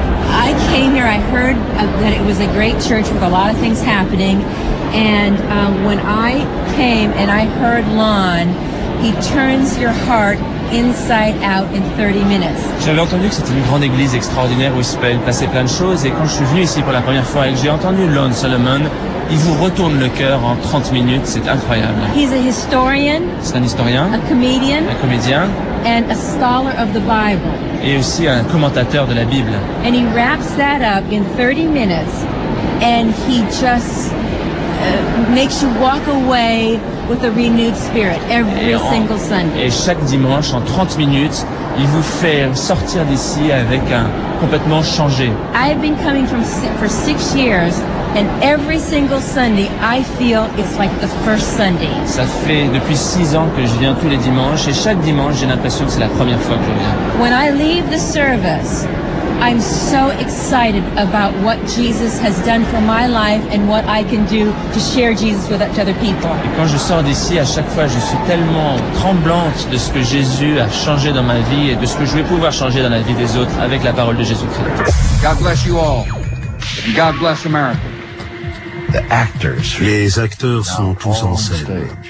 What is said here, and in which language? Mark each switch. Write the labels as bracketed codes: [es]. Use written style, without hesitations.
[en] I came here, I heard that it was a great church with a lot of things happening, and when I came and I heard Lon, He turns your heart inside out in 30 minutes. [fr] J'avais entendu que c'était une grande église extraordinaire où il se passait plein de choses. Et quand je suis venu ici pour la première fois et que j'ai entendu Lon Solomon, il vous retourne le cœur en 30 minutes. C'est incroyable. [en] He's a historian. [fr] C'est un historien. [en] A comedian. [fr] Un comédien. [en] And a scholar of the Bible. [fr] Et aussi un commentateur de la Bible. [en] And he wraps that up in 30 minutes, and he just makes you walk away with a renewed spirit every single Sunday. [fr] Et chaque dimanche, en 30 minutes, il vous fait sortir d'ici avec un complètement changé. [en] I've been coming for 6 years, and every single Sunday, I feel it's like the first Sunday. [fr] Ça fait depuis 6 ans que je viens tous les dimanches, et chaque dimanche, j'ai l'impression que c'est la première fois que je viens. [en] When I leave the service, I'm so excited about what Jesus has done for my life and what I can do to share Jesus with other people. [fr] Et quand je sors d'ici, à chaque fois, je suis tellement tremblante de ce que Jésus a changé dans ma vie et de ce que je vais pouvoir changer dans la vie des autres avec la parole de Jésus-Christ. [en] God bless you all. God bless America. The actors. [fr] Les acteurs sont tous en scène.